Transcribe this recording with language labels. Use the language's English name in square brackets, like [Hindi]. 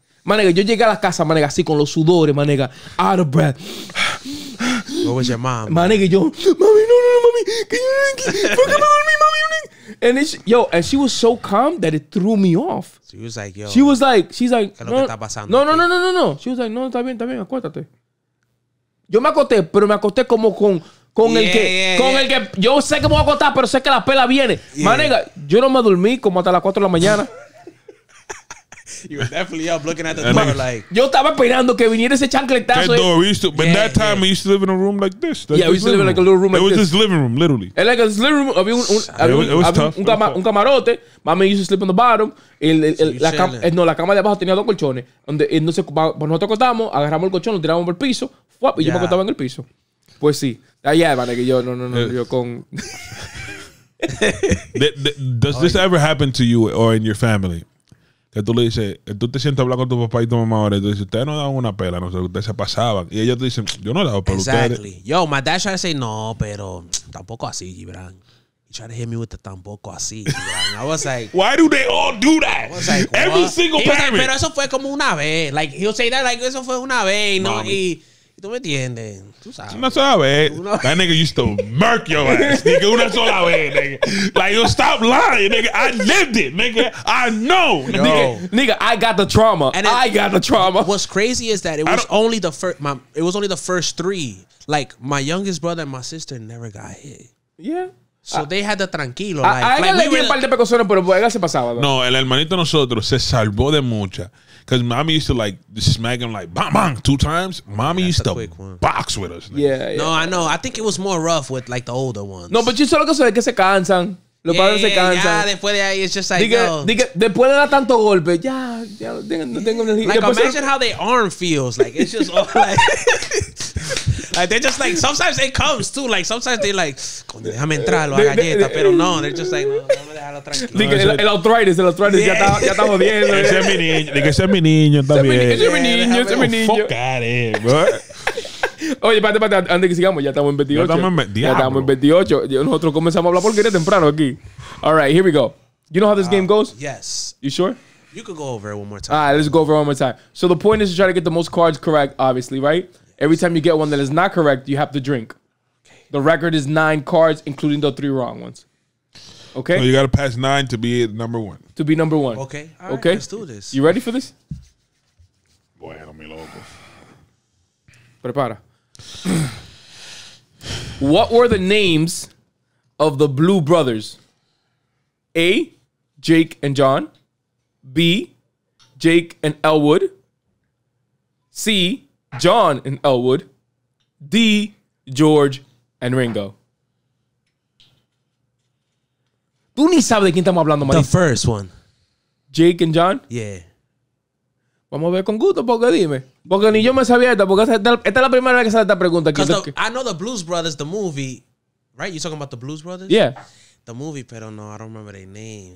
[Spanish] My nigga, yo llegué a la casa, my nigga, así con los sudores, my nigga, out of breath. [English] What was your mom? My nigga, yo, mommy, no, mommy, can you fuck about me, mommy? And it's, yo, and she was so calm that it threw me off. She was like, yo. She was like, she's like, no. She was like, no, está bien, acuéstate. [Spanish] Yo me acosté, pero me acosté como con el que, con el que, yo sé que me voy a acostar, pero sé que la pela viene. Yeah. My nigga, yo no me dormí como hasta las 4 de la mañana. [English] You were definitely up looking at the door, like. [Spanish] Yo estaba esperando que viniera ese chancletazo. [English] That door, we used to, but yeah, that time we used to live in a room like this. Like, yeah, we used to live in like a little room like this. It was this living room, literally. And like this living room, había un camarote. [Spanish] Mommy used to sleep on the bottom. La cama de abajo tenía dos colchones. Donde, entonces, nosotros acostamos, agarramos el colchón, lo tiramos por el piso. Fuap, y yo me acostaba en el piso. Pues sí. Allá, vale, que yo, yo con. [English] Does this ever happen to you or in your family? [Spanish] Que tú le dices, tú te sientes a hablar con tu papá y tu mamá ahora, y tú dices, ustedes no daban una pela, no sé, ustedes se pasaban. Y ellos te dicen, yo no he dado pela. [English] Exactly. Yo, my dad tried to say, no, pero tampoco así, Gibran. He tried to hit me with the tampoco así, Gibran. I was like, why do they all do that? I was like, every what? Single parent. [Spanish] Like, pero eso fue como una vez. Like, he'll say that, like, eso fue una vez, y no, mami. Y tú me entiendes. [English] Una sola vez. That nigga used to murk your ass, nigga. Una sola vez, nigga. Like, yo, stop lying, nigga. I lived it, nigga. I know. Nigga, I got the trauma. And I got the trauma. What's crazy is that it was only the first three. Like, my youngest brother and my sister never got hit. Yeah. So they had the tranquilo. [Spanish] No, [English] el hermanito nosotros se salvó de mucha. Because mommy used to like smack him like bang bang two times. Mommy used to box with us. Yeah. No, I know. I think it was more rough with like the older ones. [Spanish] No, but you solo que se cansan. Los padres se cansan. [English] Yeah, después de ahí, it's just like, [Spanish] no. Después de dar tanto golpe, ya, ya, no tengo energía. [English] Like, imagine how their arm feels. Like, it's just all like... Like, they're just like, sometimes it comes too. Like, sometimes they're like, déjame entrar a la galleta, pero no, they're just like, no, [Spanish] déjalo tranquilo. El arthritis, ya está jodiendo. Ese es mi niño, dije, ese es mi niño también. Ese es mi niño, ese es mi niño. Fuck out of here, bro. Oye, espérate, antes que sigamos, ya estamos en 28. Ya estamos en 28. Nosotros comenzamos a hablar porque eres temprano aquí. [English] All right, here we go. You know how this game goes? Yes. You sure? You could go over it one more time. All right, let's go over it one more time. So the point is to try to get the most cards correct, obviously, right? Every time you get one that is not correct, you have to drink. Okay. The record is 9 cards, including the 3 wrong ones. Okay? So you got to pass 9 to be number 1. To be number 1. Okay. All okay. Right, let's do this. You ready for this? [Spanish] Bueno, mi loco. Prepara. [English] What were the names of the Blue Brothers? A, Jake and John. B, Jake and Elwood. C, John and Elwood. D, George and Ringo. [Spanish] Tú ni sabes de quién estamos hablando, [English] Marisa. The first one. Jake and John? Yeah. [Spanish] Vamos a ver con gusto, porque dime. Porque ni yo me sabía esta, porque esta es la primera vez que sale esta pregunta. [English] Because I know the Blues Brothers, the movie, right? You're talking about the Blues Brothers? Yeah. The movie, pero no, I don't remember their names.